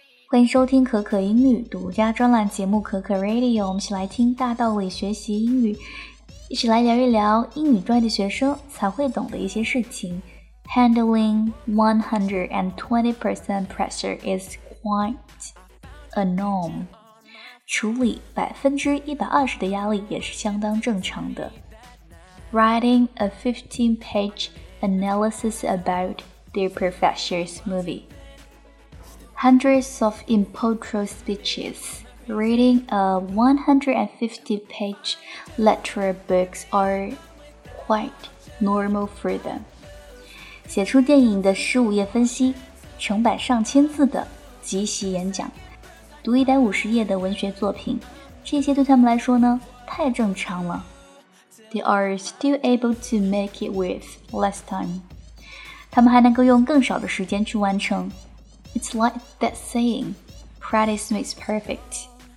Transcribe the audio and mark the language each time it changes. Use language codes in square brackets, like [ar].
[zh] 欢迎收听可可英语独家专栏节目可可 Radio， 我们一起来听大道理学习英语，一起来聊一聊英语专业的学生才会懂的一些事情。 [en] Handling 120% pressure is quite a norm， [zh] 处理 120% 的压力也是相当正常的。 [en] Writing a 15-page analysis about their professor's movieHundreds of impromptu speeches, reading a 150-page lecture books are quite normal for them. [zh] 写出电影的15页分析，成百上千字的即席演讲，读150页的文学作品，这些对他们来说呢，太正常了。 [en] They are still able to make it with less time. [zh] 他们还能够用更少的时间去完成。 [en] It's like that saying, practice makes perfect.